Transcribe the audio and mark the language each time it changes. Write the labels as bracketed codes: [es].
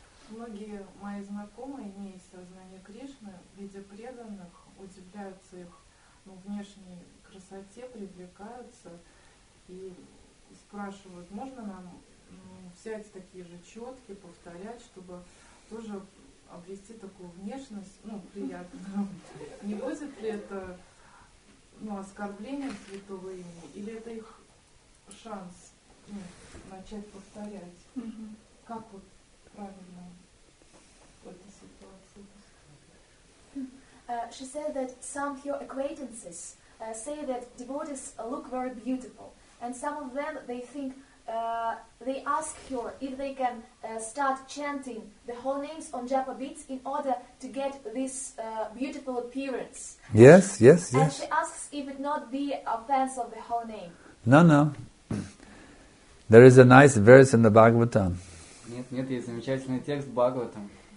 [ru] Многие мои знакомые, имея сознание Кришны, видя преданных, удивляются их внешней красоте, привлекаются и спрашивают, можно нам взять такие же четки, повторять, чтобы тоже обрести такую внешность, ну, приятную. Не будет ли это оскорблением святого имени? Или это их шанс начать повторять? Mm-hmm. Как вот правильно в этой ситуации? [en] She said that some of your acquaintances say that devotees look very beautiful. And some of them, they think, they ask her if they can start chanting the whole names on Japa beats in order to get this beautiful appearance. Yes, yes, yes. And she asks if it not be offense of the whole name. No, no. There is a nice verse in the Bhagavatam. [ru] Нет, нет, есть замечательный текст в Бхагаватам.